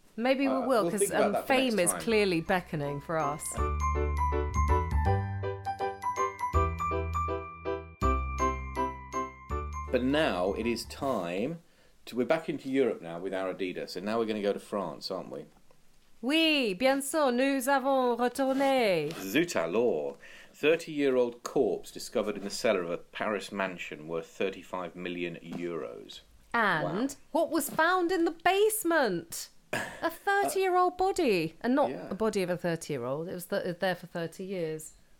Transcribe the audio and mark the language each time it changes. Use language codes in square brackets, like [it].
[en] Maybe we will, because fame is clearly beckoning for us. But now it is time to... We're back into Europe now with our Adidas, and now we're going to go to France, aren't we? [fr] Oui, bien sûr, nous avons retourné. Zut alors. [en] 30-year-old corpse discovered in the cellar of a Paris mansion worth 35 million euros. And what was found in the basement? A 30-year-old body. And not a body of a 30-year-old. It was there for 30 years.